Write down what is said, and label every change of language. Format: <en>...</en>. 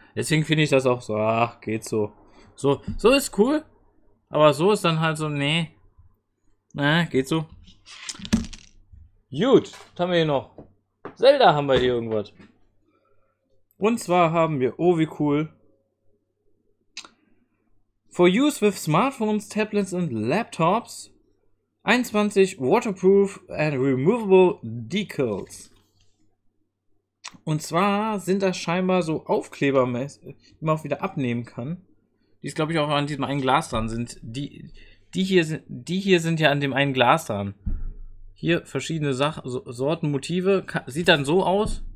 <de>Deswegen finde ich das auch so, ach, geht so. So ist cool. Aber so ist dann halt so, nee. Na, geht so. Gut, was haben wir hier noch? Zelda haben wir hier irgendwas. Und zwar haben wir, oh wie cool.</de> <en>For use with smartphones, tablets and laptops. 21 waterproof and removable decals.</en> <de>Und zwar sind das scheinbar so Aufklebermäßig, die man auch wieder abnehmen kann. Die ist, glaube ich, auch an diesem einen Glas dran sind. Die hier sind ja an dem einen Glas dran. Hier verschiedene Sorten, Motive. Sieht dann so aus.</de>